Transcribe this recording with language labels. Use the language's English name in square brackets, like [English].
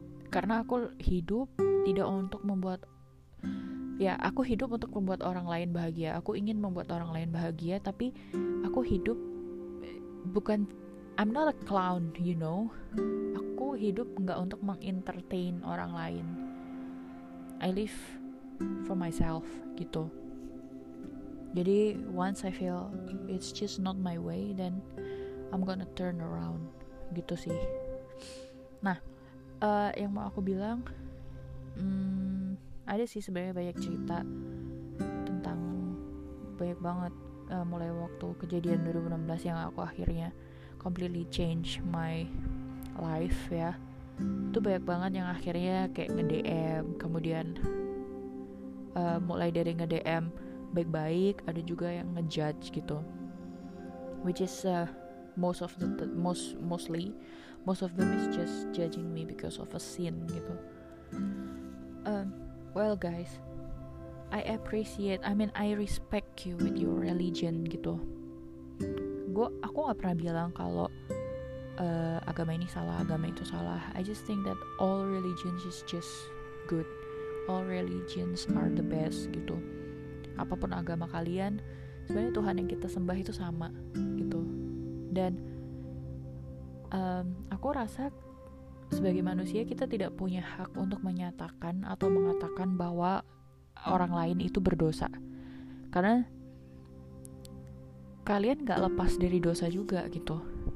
[Indonesian] Karena aku hidup tidak untuk membuat, ya, aku hidup untuk membuat orang lain bahagia. Aku ingin membuat orang lain bahagia, tapi aku hidup bukan, [English] I'm not a clown, you know. [Indonesian] Aku hidup enggak untuk mengentertain orang lain. [English] I live for myself gitu. [Indonesian] Jadi, [English] once I feel it's just not my way, then I'm gonna turn around gitu sih. [Indonesian] Nah, yang mau aku bilang ada sih sebenarnya banyak cerita tentang banyak banget mulai waktu kejadian 2016 yang aku akhirnya [English] completely change my life [Indonesian] ya. Itu banyak banget yang akhirnya kayak nge-DM, kemudian mulai dari nge-DM baik-baik, ada juga yang nge-judge gitu. [English] Which is most of them is just judging me because of a scene gitu. Well guys, I respect you with your religion gitu. [Indonesian] Aku gak pernah bilang kalau agama ini salah, agama itu salah. [English] I just think that all religions is just good. All religions are the best gitu. [Indonesian] Apapun agama kalian, sebenarnya Tuhan yang kita sembah itu sama gitu. Dan aku rasa sebagai manusia kita tidak punya hak untuk menyatakan atau mengatakan bahwa orang lain itu berdosa, karena kalian gak lepas dari dosa juga gitu.